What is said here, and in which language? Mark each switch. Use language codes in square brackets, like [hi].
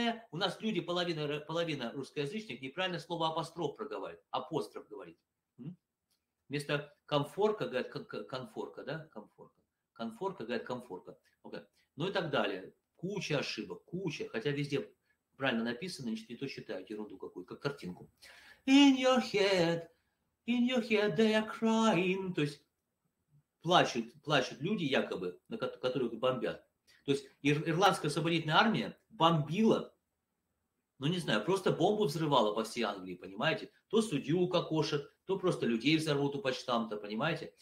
[ru] У нас люди, половина русскоязычных, неправильно слово апостроф проговаривает, апостроф говорит. Вместо комфорка говорят конфорка, да, комфорка. Конфорка, говорят, комфорка. Okay. Ну и так далее. Куча ошибок, куча. Хотя везде правильно написано, не то читают, ерунду какую-то, как картинку. [en] In your head they are crying. [ru] То есть плачут люди якобы, на которых бомбят. То есть ирландская освободительная армия бомбила, ну не знаю, просто бомбу взрывала по всей Англии, понимаете? То судью укокошат, то просто людей взорвут у почтамта, понимаете?